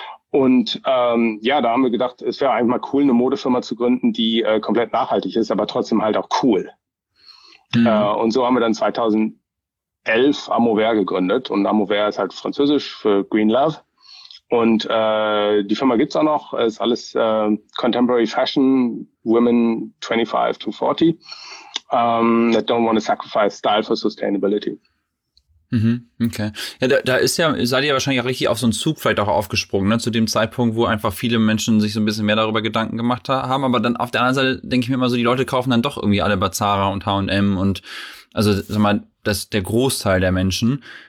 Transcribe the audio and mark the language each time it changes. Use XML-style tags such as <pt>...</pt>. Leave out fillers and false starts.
<de>Und ja, da haben wir gedacht, es wäre eigentlich mal cool, eine Modefirma zu gründen, die komplett nachhaltig ist, aber trotzdem halt auch cool. Mhm. Und so haben wir dann 2011 Amauvert gegründet. Und Amauvert ist halt französisch für Green Love. Und die Firma gibt's auch noch. Ist alles</de> <en>Contemporary Fashion, Women 25 to 40, that don't want to sacrifice style for sustainability.</en> <de>Okay. Ja, da ist ja, seid ihr wahrscheinlich auch richtig auf so einen Zug vielleicht auch aufgesprungen, ne? Zu dem Zeitpunkt, wo einfach viele Menschen sich so ein bisschen mehr darüber Gedanken gemacht haben. Aber dann auf der anderen Seite denke ich mir immer so, die Leute kaufen dann doch irgendwie alle bei Zara und H&M und, also, sag mal, das ist der Großteil der Menschen.</de>